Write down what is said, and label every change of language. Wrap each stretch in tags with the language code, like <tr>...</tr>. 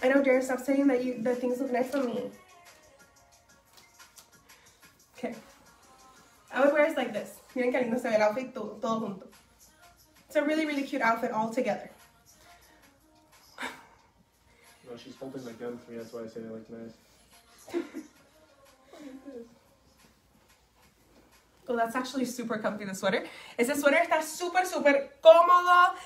<en>I know, Jared, stop saying that the things look nice on me. Okay. I would wear it like this.</en> <es>Miren que lindo se ve el outfit todo junto.</es> <en>It's a really, really cute outfit all together. No, she's holding my gun for me, that's why I say they look nice. Well, that's actually super comfy, the sweater.</en> <es>Ese sweater está super, super cómodo.</es>